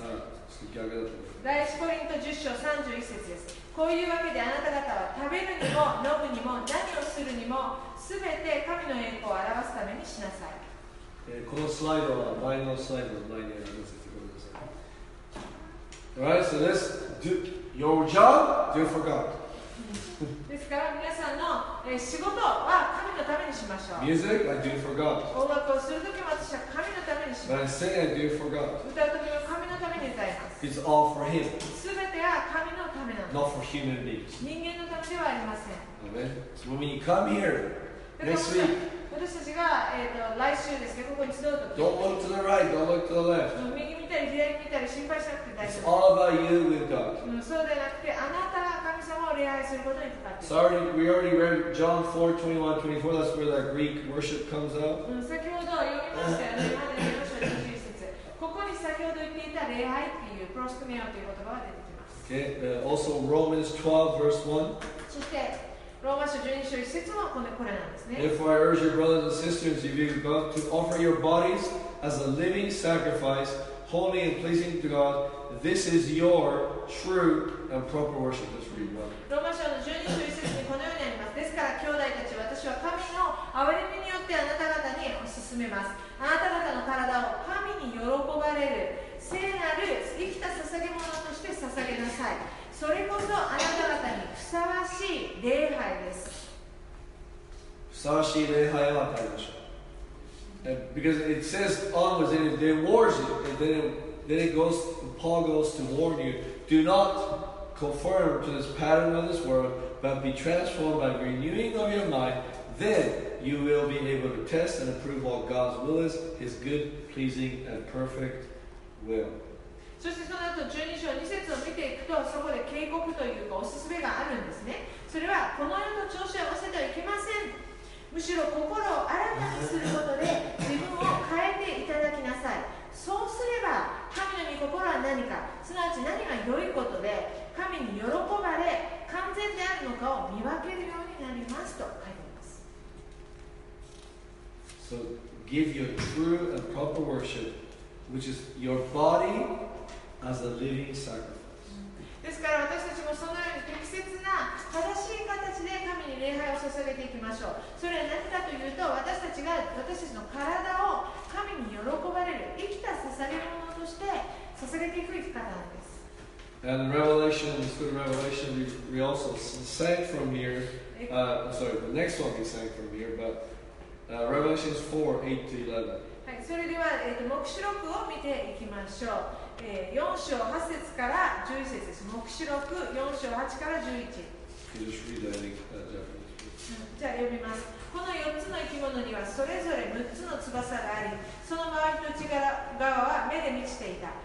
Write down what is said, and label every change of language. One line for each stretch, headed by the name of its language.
Japanese: 第1コリント10章31節です。こういうわけであなた方は食べるにも飲むにも何をするにも全て神の栄光を表すためにしなさい。このスライドは前のスライドの前にあります。ごめんなさい。
English: Right, so let's do your job, do for God.
Japanese: ですから皆さんの仕事は神のためにしましょう。
English: Music, I do for God.
Japanese: 音楽をするときも私は神のためにします。
English: But I sing, I do for God.
Japanese: 歌うときも神のために歌います。
English: It's all for Him.
Japanese: 全ては神のためなの。
English: Not for human beings.
Japanese: 人間のためではありません。
English: Amen. So when you come here next week,
Japanese: 私たちが来週ですね、ここに集うとき、
English: Don't look to the right, don't look to the left.
Japanese: 右見たり左見たり心配しなくて大丈夫。
English: It's all about you with God.
Japanese: そうではなくて、あなたが神様を礼拝することにかかっている。
English: Sorry, we already read John 4:21-24. That's where that Greek worship comes out.
Japanese: 先ほど読みましたよね。まだ読みましょう。21節。ここに先ほど言っていた礼拝っていう、プロスクメオという言葉が出てきます。
English: Okay, also Romans 12, verse 1.
Japanese: そして、ローマ書12章1節もこれなんですね。
English: Therefore I urge your brothers and sisters, if you've got to offer your bodies as a living sacrifice, holy and pleasing to God, this is your true and proper worship. Let's read one.
Japanese: ローマ書の12章1節にこのようにあります。ですから兄弟たち、私は神の憐れみによってあなた方にお勧めます。あなた方の体を神に喜ばれる聖なる生きた捧げ物として捧げなさい。それこそあなた方にふさわしい礼拝です。ふさわしい礼拝を与えましょう。
English: Because it says onwards and it warns you, and then it goes, Paul goes to warn you, do not conform to this pattern of this world, but be transformed by renewing of your mind, Then you will be able to test and approve what God's will is, His good, pleasing, and perfect will.
Japanese: そしてその後12章2節を見ていくと、そこで警告というかおすすめがあるんですね。それはこの世の調子を合わせてはいけません。むしろ心を新たにすることで自分を変えていただきなさい。そうすれば神の御心は何か、すなわち何が良いことで神に喜ばれ完全であるのかを見分けるようになりますと書いてあります。
English: So give your true and proper worship, which is your body as a living sacrifice.
Japanese: ですから私たちもそのように適切な正しい形で神に礼拝を捧げていきましょう。それは何かというと、私たちが私たちの体を神に喜ばれる生きた捧げ物として捧げていく生き方なんです。
English: And Revelation, this good Revelation, we also sang from here. Sorry, the next one we sang from here, but Revelation 4, 8 to 11.
Japanese: はい、それでは、黙示録を見ていきましょう。 4章8節から11節です。黙示録4章8から11、じゃあ読みます。この4つの生き物にはそれぞれ6つの翼があり、その周りの内側は目で満ちていた。